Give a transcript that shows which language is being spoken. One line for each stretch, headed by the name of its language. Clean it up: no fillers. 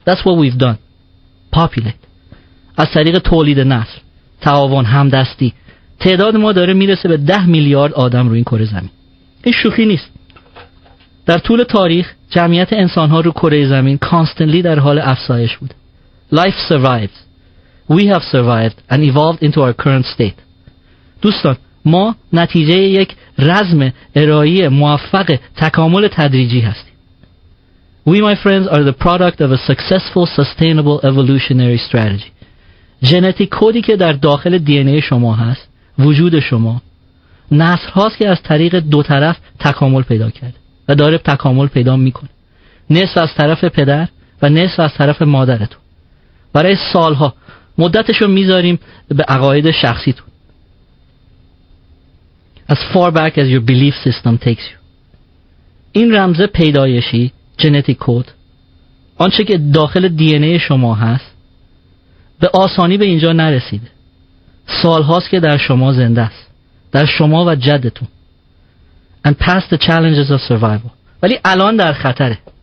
English: That's what we've done. Populate.
Persian: از طریق تولید نسل، تعاون، همدستی، تعداد ما داره میرسه به 10 میلیارد آدم رو این کره زمین. این شوخی نیست. در طول تاریخ جمعیت انسان‌ها رو کره زمین
English: constantly
Persian: در حال افزایش بود.
English: Life survives. We have survived and evolved into our current state.
Persian: دوستان، ما نتیجه یک رزم ارائی موفق تکامل تدریجی هستیم.
English: We, my friends, are the product of a successful, sustainable evolutionary strategy.
Persian: ژنتیک کدی که در داخل DNA شما هست، وجود شما، نسل هاست که از طریق دو طرف تکامل پیدا کرده و داره تکامل پیدا میکنه. نصف از طرف پدر و نصف از طرف مادرتون. برای سالها مدتش رو میذاریم به عقاید شخصیتون.
English: As far back as your belief system takes you.
Persian: این رمز پیدایشی، ژنتیک کد، آنچه که داخل DNA شما هست، به آسانی به اینجا نرسیده. سالهاست که در شما زنده است، در شما و جدتون.
English: And past the challenges of survival.
Persian: ولی الان در خطره.